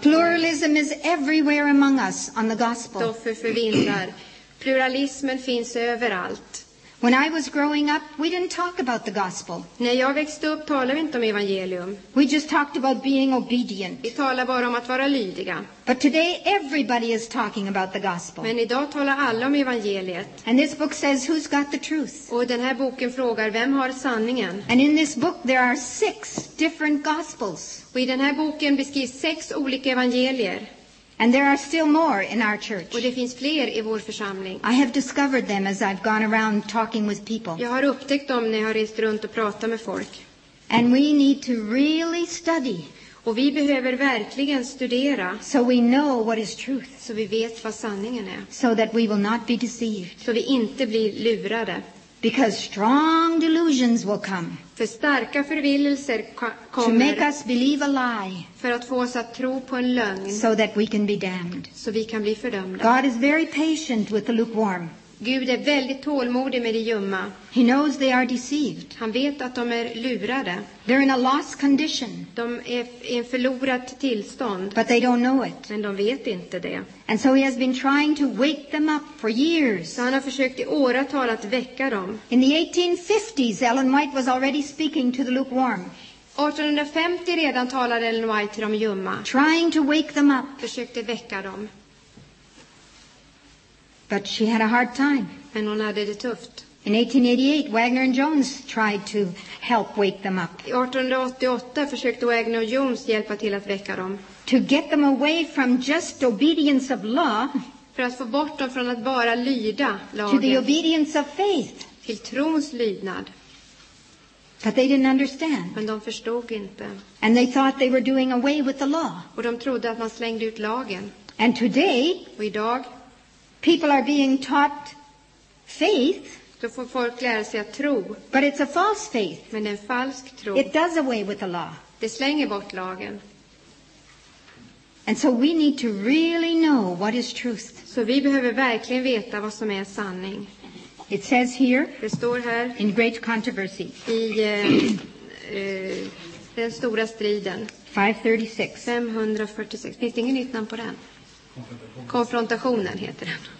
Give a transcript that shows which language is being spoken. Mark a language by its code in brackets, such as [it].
[en] pluralism is everywhere among us on the gospel. [sv] Stoffer förvindar. Pluralismen finns överallt. [en] When I was growing up, we didn't talk about the gospel. [sv] När jag växte upp talade vi inte om evangelium. [en] We just talked about being obedient. [sv] Vi talade bara om att vara lydiga. [en] But today everybody is talking about the gospel. [sv] Men idag talar alla om evangeliet. [en] And this book says who's got the truth. [sv] Och den här boken frågar vem har sanningen. [en] And in this book there are 6 different gospels. [sv] Och i den här boken beskrivs 6 olika evangelier. [en] And there are still more in our church. [sv] Och det finns fler i vår församling. [en] I have discovered them as I've gone around talking with people. [sv] Jag har upptäckt dem när jag har rest runt och pratat med folk. [en] And we need to really study. [sv] Och vi behöver verkligen studera. [en] So we know what is truth. [sv] Så vi vet vad sanningen är. [en] So that we will not be deceived. [sv] Så vi inte blir lurade. [en] Because strong delusions will come. [sv] För starka förvillelser kommer. [en] To make us believe a lie. [sv] För att få oss att tro på en lögn. [en] So that we can be damned. [sv] Så vi kan bli fördömda. [en] God is very patient with the lukewarm. [sv] Gud är väldigt tålmodig med de ljumma. [en] He knows they are deceived. [sv] Han vet att de är lurade. [en] They're in a lost condition. [sv] De är i en förlorat tillstånd. [en] But they don't know it. [sv] Men de vet inte det. [en] And so he has been trying to wake them up for years. [sv] Så han har försökt i åratal att väcka dem. [en] In the 1850s, Ellen White was already speaking to the lukewarm. [sv] 1850 redan talade Ellen White till de ljumma. [en] Trying to wake them up. [sv] Försökte väcka dem. [en] But she had a hard time. [sv] Men hon hade det tufft. [en] In 1888, Wagner and Jones tried to help wake them up. [sv] 1888 försökte Wagner och Jones hjälpa till att väcka dem. [en] To get them away from just obedience of law. [sv] För att få bort dem från att bara lyda lagen. [en] To the obedience of faith. [sv] Till trons lydnad. [en] But they didn't understand. [sv] Men de förstod inte. [en] And they thought they were doing away with the law. [sv] Och de trodde att man slängde ut lagen. [en] And today, [sv] och idag, [en] people are being taught faith. [sv] Då får folk lära sig att tro. [en] But it's a false faith. [sv] Men en falsk tro. [en] It does away with the law. [sv] Det slänger bort lagen. [en] And so we need to really know what is truth. [sv] Så vi behöver verkligen veta vad som är sanning. [en] It says here. [sv] Det står här. [en] In great controversy. [sv] I den stora striden. 536. 546. Finns det ingen nytt namn på den? Konfrontationen heter den.